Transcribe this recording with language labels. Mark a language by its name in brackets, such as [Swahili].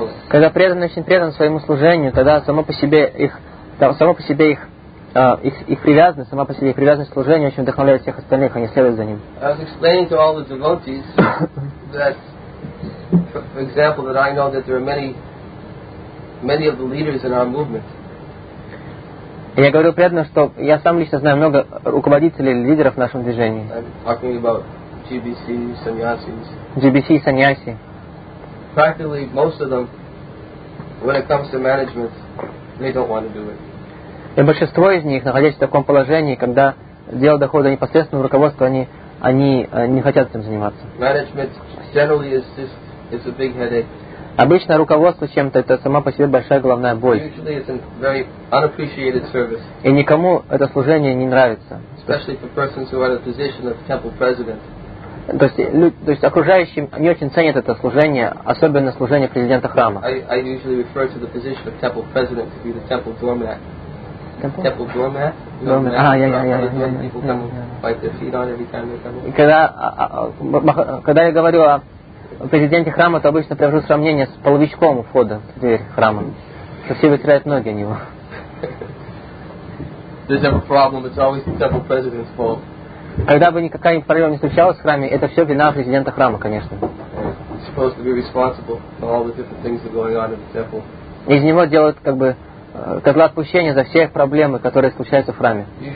[Russian] Когда преданный очень предан своему служению, тогда сама по себе их привязанность к служению очень вдохновляет всех остальных, они следуют за ним. [English] I was explaining to all the devotees that, for example, that I know that there are many of the leaders in our movement. [Russian] Я говорю преданно, что я сам лично знаю много руководителей или лидеров в нашем движении. [English] GBC, [Russian] саньяси. [English] Practically most of them, when it comes to management, they don't want to do it. [Russian] И большинство из них, находясь в таком положении, когда дело доходит до непосредственного руководства, они не хотят этим заниматься. [English] Management generally is a big headache. [Russian] Обычно руководство чем-то это сама по себе большая головная боль. [English] Usually it's a very unappreciated service. [Russian] И никому это служение не нравится. [English] Especially for persons who are in a position of temple president. [Russian] То есть окружающим не очень ценят это служение, особенно служение президента храма. [English] I usually refer to the position of temple president to be the temple doormat. Temple doormat. [Russian] Когда я говорю о президенте храма, то обычно привожу сравнение с половичком у входа в дверь храма. Что все вытирают ноги о него. [English] There's never a problem, it's always the temple president's fault. [Russian] Когда бы никакая проблема не случалась в храме, это все вина президента храма, конечно. Из него делают как бы козла отпущения за все проблемы, которые случаются в храме.